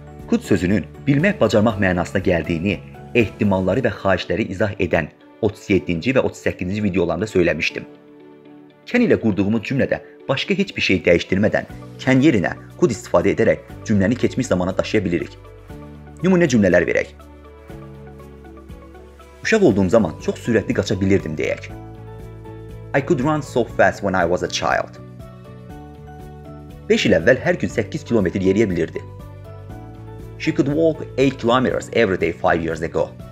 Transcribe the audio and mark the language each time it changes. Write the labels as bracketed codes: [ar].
[az] Could sözünün bilmək, bacarmaq mənasına gəldiyini, ehtimalları və xahişləri izah edən 37-ci və 38-ci videolarında söyləmişdim. Can ilə qurduğumuz cümlədə başqa heç bir şey dəyişdirmədən can yerinə could istifadə edərək cümləni keçmiş zamana daşıya bilirik. Nümunə cümlələr verək. Uşaq olduğum zaman çox sürətli qaça bilirdim deyək. [en] I could run so fast when I was a child. [az] 5 il əvvəl hər gün 8 kilometr yeriyə bilirdi. [en] She could walk 8 kilometers every day 5 years ago.